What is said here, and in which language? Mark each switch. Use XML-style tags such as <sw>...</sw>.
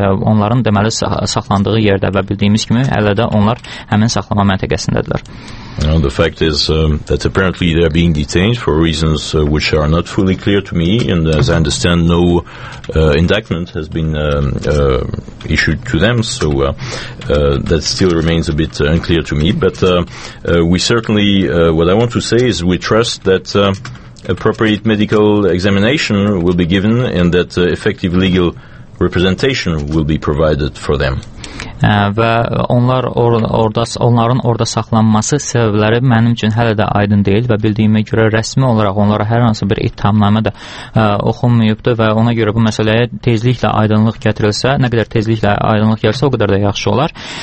<az>Onların deməli saxlandığı yerdə və bildiyimiz kimi hələ də onlar həmin saxlama məntəqəsindədirlər.</az> <en>Now the fact is that apparently they are being detained for reasons which are not fully clear to me, and as I understand, no indictment has been issued to them, so that still remains a bit unclear to me, but we certainly what I want to say is we trust that appropriate medical examination will be given and that effective legal representation will be provided for them.</en> <az>Və onlar onların orada saxlanması səbəbləri mənim üçün hələ də aydın deyil və bildiyimə görə rəsmi olaraq onlara hər hansı bir ittihamnamə də oxunmayıbdır və ona görə bu məsələyə tezliklə aydınlıq gətirilsə, nə qədər tezliklə aydınlıq gəlsə o qədər də yaxşı olar.</az>